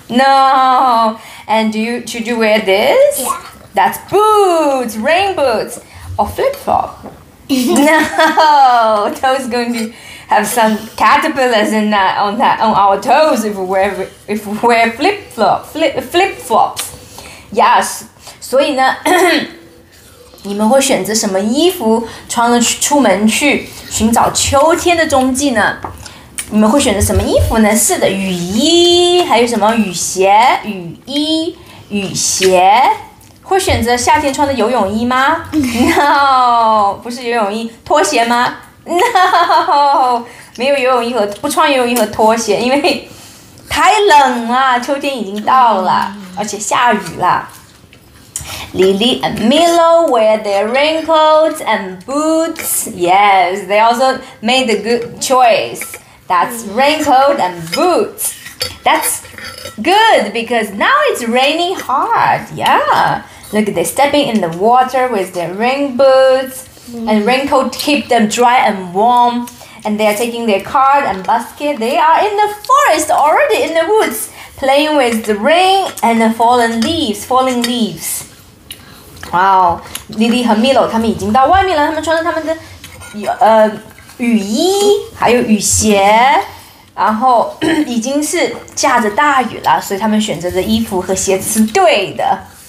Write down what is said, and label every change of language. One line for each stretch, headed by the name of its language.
English: No. And should you wear this? Yeah. That's boots, rain boots. Or flip-flop? No. Toes going to have some caterpillars in that, on our toes if we wear flip-flops. Yes.
Chinese: 所以呢你们会选择什么衣服穿了出门去寻找秋天的踪迹呢？你们会选择什么衣服呢？是的，雨衣，还有什么雨鞋、雨衣、雨鞋？会选择夏天穿的游泳衣吗？
English: No，
Chinese: 不是游泳衣，拖鞋吗？No， 没有游泳衣和不穿游泳衣和拖鞋，因为太冷了，秋天已经到了，而且下雨了。
English: Lily and Milo wear their raincoats and boots. Yes, they also made a good choice. That's raincoat and boots. That's good because now it's raining hard. Yeah. Look, they're stepping in the water with their rain boots. And raincoat keep them dry and warm. And they are taking their cart and basket. They are in the forest already in the woods. Playing with the rain and the falling leaves.
Chinese: 哇、wow, 哦 ，Lily 和 Milo 他们已经到外面了。他们穿着他们的雨衣，还有雨鞋，然后已经是下着大雨了，所以他们选择的衣服和鞋子是对的。